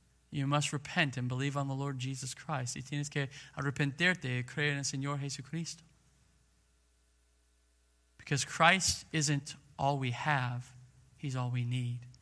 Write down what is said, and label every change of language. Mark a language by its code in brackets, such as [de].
[en] You must repent and believe on the Lord Jesus Christ. [es] Y tienes que arrepentirte y creer en el Señor Jesucristo. [en] Because Christ isn't all we have, he's all we need.